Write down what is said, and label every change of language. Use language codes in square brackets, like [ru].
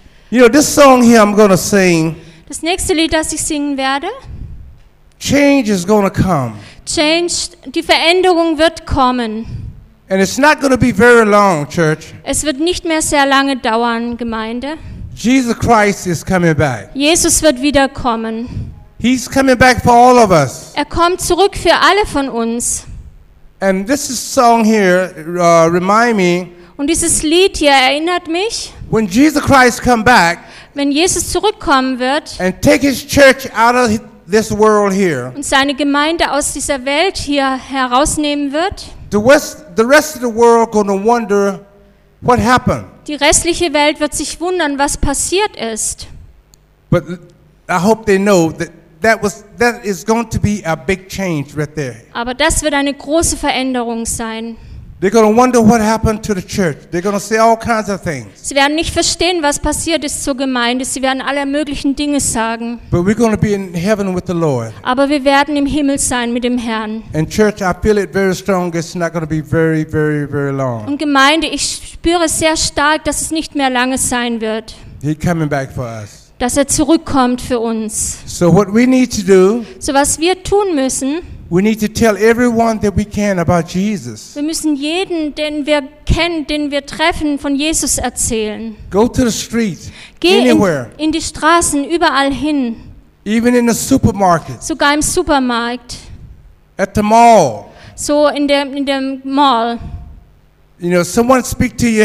[en] You know, this song here I'm going to sing. [de] Das nächste Lied, das ich singen werde. [en] Change is going to come. [de] Change, die Veränderung wird kommen. [en] And it's not going to be very long, church. [de] Es wird nicht mehr sehr lange dauern, Gemeinde. [en] Jesus Christ is coming back. [de] Jesus wird wiederkommen. [en] He's coming back for all of us. [de] Er kommt zurück für alle von uns. [en] And this song here remind me. [de] Und dieses Lied hier erinnert mich. [en] When Jesus Christ come back. [de] Wenn Jesus zurückkommen wird. [en] And take his church out of this world here, [de] und seine Gemeinde aus dieser Welt hier herausnehmen wird, [en] the rest of the world gonna wonder what happened. [de] Die restliche Welt wird sich wundern, was passiert ist. [en] But I hope they know that that is going to be a big change right there. [de] Aber das wird eine große Veränderung sein. [en] They're going to wonder what happened to the church. They're going to say all kinds of things. [de] Sie werden nicht verstehen, was passiert ist zur Gemeinde. Sie werden alle möglichen Dinge sagen. [en] But we're going to be in heaven with the Lord. [de] Aber wir werden im Himmel sein mit dem Herrn. [en] And church, I feel it very strong. It's not going to be very, very, very long. [de] Und Gemeinde, ich spüre sehr stark, dass es nicht mehr lange sein wird. [en] He's coming back for us. [de] Dass er zurückkommt für uns. [en] So what we need to do? [de] So was wir tun müssen? [en] We need to tell everyone that we can about Jesus. [de] Wir müssen jeden, den wir kennen, den wir treffen, von Jesus erzählen. [en] Go to the street. [de] Geh [en] anywhere. [de] In die Straßen, überall hin. [en] Even in the supermarket. [de] Sogar im Supermarkt. [en] At the mall. [de] So in dem Mall. [en] You know, someone speak to you.